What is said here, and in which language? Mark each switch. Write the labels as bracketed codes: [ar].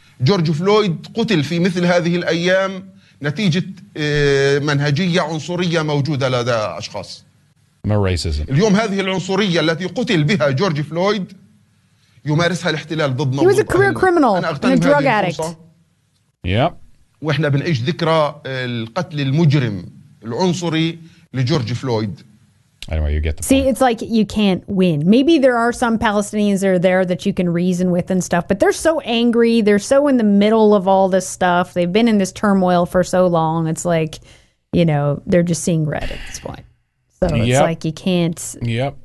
[ar] جورج فلويد قتل في مثل هذه الأيام نتيجة منهجية عنصرية موجودة لدى أشخاص. [en] No racism. [ar] اليوم هذه العنصرية التي قتل بها جورج فلويد يمارسها الاحتلال ضدنا. [en] He was a career criminal and a drug addict. Yep. [ar] وإحنا بنعيش ذكرى القتل المجرم العنصري لجورج فلويد. [en] Anyway, you get the See, point. It's like you can't win. Maybe there are some Palestinians that are there that you can reason with and stuff, but they're so angry. They're so in the middle of all this stuff. They've been in this turmoil for so long. It's like, you know, they're just seeing red at this point. So it's yep. like you can't. Yep.